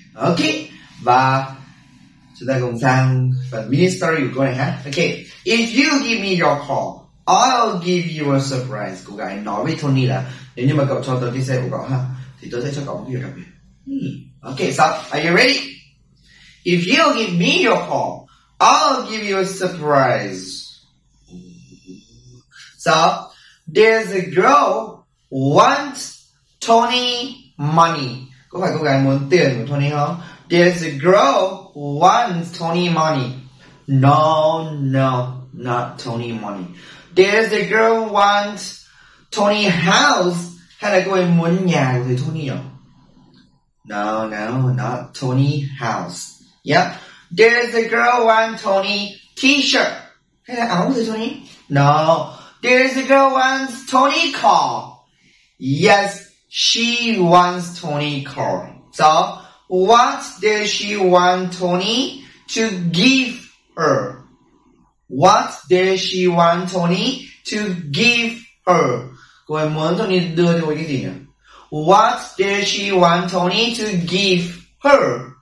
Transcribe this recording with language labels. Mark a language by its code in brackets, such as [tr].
[vi] Okay, và chúng ta cùng sang phần mini story của cô này ha. [en] Okay, if you give me your call, I'll give you a surprise. [vi] Cô gái nói với Tony là nếu như mà cậu cho tôi cái xe của cậu ha, thì tôi sẽ cho cậu một điều đặc biệt. [en] Okay, so are you ready? If you give me your call, I'll give you a surprise. So there's a girl wants Tony money. [vi] Có phải cô gái muốn tiền của Tony không? [en] There's a girl wants Tony money. No, no, not Tony money. There's a girl wants Tony house. [vi] Hay là cô ấy muốn nhà của thầy Tony không? [en] No, no, not Tony house. Yep. There's a girl wants Tony t-shirt. [vi] Hay là áo của thầy Tony? [en] No. There's a girl wants Tony car. Yes, she wants Tony car. So, what does she want Tony to give her? What does she want Tony to give her? [vi] Cô ấy muốn Tony đưa cho cô ấy cái gì nhỉ? [en] What does she want Tony to give her?